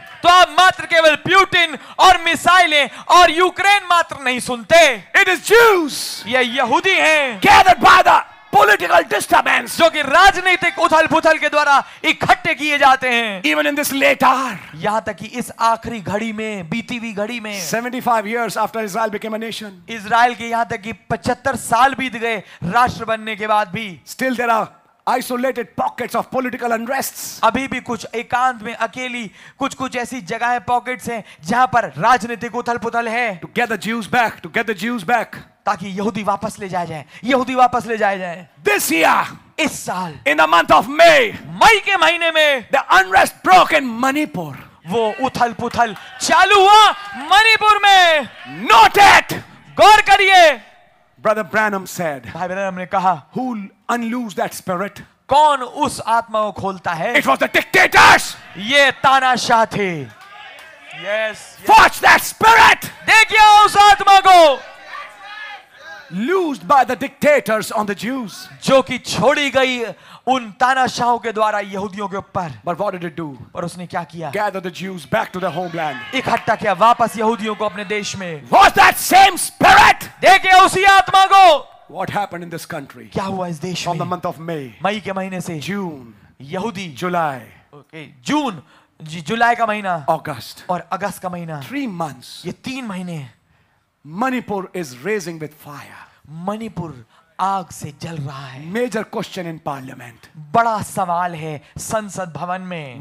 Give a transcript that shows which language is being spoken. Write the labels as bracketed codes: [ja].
[hi] तो आप मात्र केवल प्यूटिन और मिसाइलें और यूक्रेन मात्र नहीं सुनते। [en] it is Jews, [hi] ये यहूदी हैं, [en] gathered by the political disturbance, [hi] जो कि राजनीतिक उथल पुथल के द्वारा इकट्ठे किए जाते हैं। [en] even in this late hour, [hi] यहां तक कि इस आखिरी घड़ी में, बीती हुई घड़ी में, [en] 75 years after Israel became a nation, [hi] Israel के यहां तक कि 75 साल बीत गए राष्ट्र बनने के बाद भी, [en] Still there are isolated pockets of political unrests. [hi] अभी भी कुछ एकांत में अकेली कुछ कुछ ऐसी जगहें pockets हैं जहाँ पर राजनीतिक उथल-पुथल है. [en] To get the Jews back. [hi] ताकि यहूदी वापस ले जाए जाएं. [en] This year. [hi] इस साल. [en] In the month of May. [hi] मई के महीने में. [en] The unrest broke in Manipur. [hi] वो उथल-पुथल चालू हुआ मणिपुर में. [en] Note it. [hi] गौर करिए. [en] Brother Branham said, [hi] भाई ब्रैनम ने कहा, [en] who unloose that spirit, [hi] कौन उस आत्मा को खोलता है? [en] It was the dictators. [hi] ये तानाशाह थे. [en] Yes. Watch that spirit. [hi] देखिए उस आत्मा को. [en] Loosed by the dictators on the Jews. [hi] जो कि छोड़ी गई उन तानाशाहों के द्वारा यहूदियों के ऊपर. [en] But what did it do? [hi] पर उसने क्या किया? [en] Gathered the Jews back to their homeland. [hi] इकट्ठा किया वापस यहूदियों को अपने देश में. [en] Watch that same spirit. [hi] देखिए उसी आत्मा को. [en] What happened in this country? [hi] क्या हुआ इस देश [en] में? From the month of May. [hi] मई के महीने से. [en] June. [hi] यहूदी. [en] July. [hi] Okay. June. जुलाई का महीना. [en] August. [hi] और अगस्त का महीना. [en] 3 months. [hi] ये 3 महीने. [en] Manipur is raising with fire. [hi] Manipur आग से जल रहा है. [en] Major question in parliament. [hi] बड़ा सवाल है संसद भवन में.